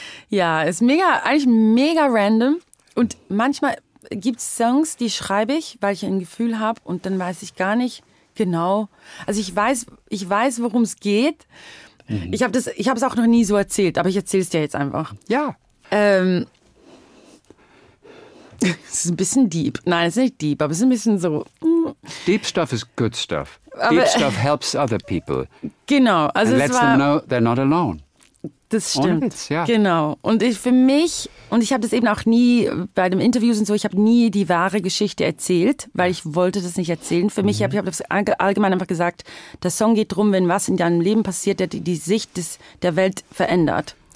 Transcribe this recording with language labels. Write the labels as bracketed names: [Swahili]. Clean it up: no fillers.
[German] Ja, ist mega, eigentlich mega random. Und manchmal gibt es Songs, die schreibe ich, weil ich ein Gefühl habe und dann weiß ich gar nicht genau. Also ich weiß, worum es geht. Ich habe es auch noch nie so erzählt, aber ich erzähle es dir jetzt einfach. Ja. Es ist ein bisschen deep. Nein, es ist nicht deep, aber es ist ein bisschen so. [English] Deep stuff is good stuff. Deep stuff helps other people. [German] Genau. Also [English] and lets them know they're not alone. [German] Das stimmt. Ohne Witz, ja. Genau. Und ich für mich, und ich habe das eben auch nie bei den Interviews und so, ich habe nie die wahre Geschichte erzählt, weil ich wollte das nicht erzählen. Für mich, ich habe das allgemein einfach gesagt, der Song geht drum, wenn was in deinem Leben passiert, der die Sicht der Welt verändert.